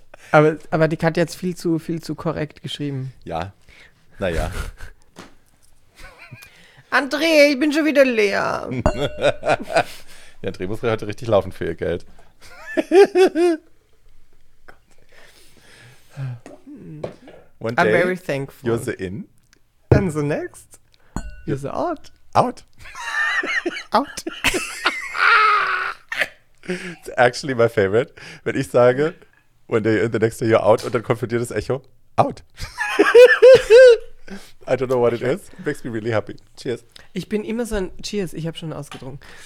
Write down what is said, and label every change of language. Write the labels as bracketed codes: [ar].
[de] Aber die Katja hat jetzt viel zu korrekt geschrieben. Ja, naja. André, ich bin schon wieder leer. Ja, André muss heute richtig laufen für ihr Geld. [en] One day, I'm very thankful. You're the in. And the next, you're the out. Out. Out. It's actually my favorite, [de] wenn ich sage, [en] one day in, the next day you're out, [de] und dann kommt für dir das Echo, [en] out. I don't know what it is, it makes me really happy. Cheers. [de] Ich bin immer so ein, cheers, ich habe schon ausgetrunken.